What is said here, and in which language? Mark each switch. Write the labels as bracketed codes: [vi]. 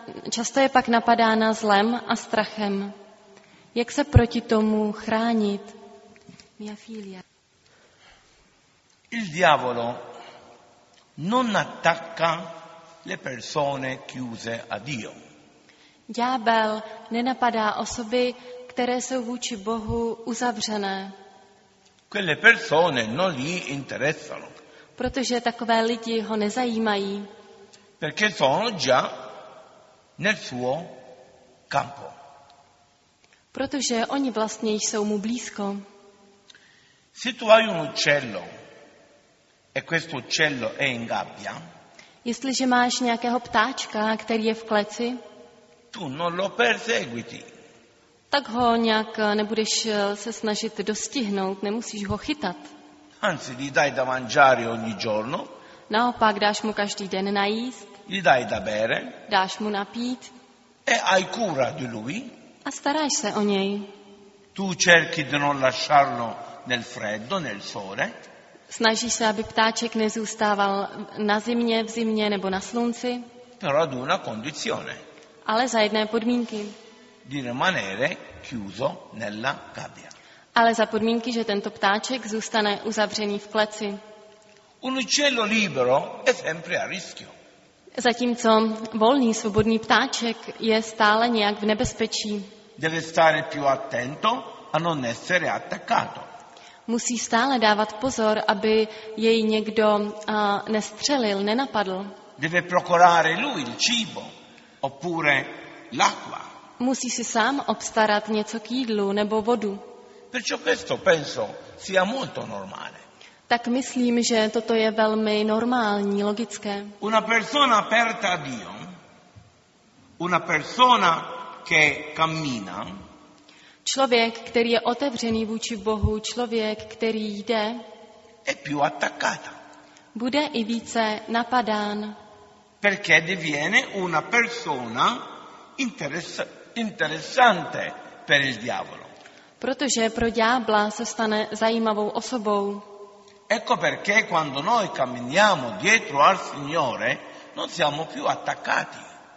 [cs] Často je pak napadána zlem a strachem. Jak se proti tomu chránit? [it] Mia figlia. Il diavolo non attacca le persone chiuse a Dio. [cs] Ďábel nenapadá osoby, které jsou vůči Bohu uzavřené. [it] Quelle persone non gli interessano. [cs] Protože takové lidi ho nezajímají. [it] Perché sono già nel suo campo. [cs] Protože oni vlastně jsou mu blízko. [it] Se tu hai un uccello e questo uccello è in gabbia. [cs] Jestliže máš nějakého ptáčka, který je v kleci. [it] Tu non lo perseguiti. [cs] Tak ho nějak nebudeš se snažit dostihnout, nemusíš ho chytat. [it] Anzi, gli dai da mangiare ogni giorno. [cs] Naopak, dáš mu každý den najíst. [it] Gli dai da bere. [cs] Dáš mu napít. [it] E hai cura di lui. [cs] A staráš se o něj. [it] Tu cerchi di non lasciarlo nel freddo, nel sole. [cs] Snažíš se, aby ptáček nezůstával na zimě, v zimě nebo na slunci. [it] Però ad una condizione. [cs] Ale za jedné podmínky. [it] Di rimanere chiuso nella gabbia. [cs] Ale za podmínky, že tento ptáček zůstane uzavřený v kleci. [it] Un uccello libero è sempre a rischio. [cs] Zatímco volný, svobodný ptáček je stále nějak v nebezpečí. [it] Deve stare più attento a non essere attaccato. [cs] Musí stále dávat pozor, aby jej někdo nestřelil, nenapadl. [it] Deve procurare lui il cibo oppure l'acqua. [cs] Musí si sám obstarat něco k jídlu nebo vodu. [it] Perciò questo penso sia molto normale. [cs] Tak myslím, že toto je velmi normální, logické. [it] Una persona aperta a Dio. una persona che cammina. [cs] Člověk, který je otevřený vůči Bohu, člověk, který jde, [it] è più attaccata. [cs] Bude i více napadán. [it] Perché diviene una persona interessante per il diavolo. [cs] Protože pro ďábla se stane zajímavou osobou. [it] Ecco perché quando noi camminiamo dietro al Signore non siamo più attaccati.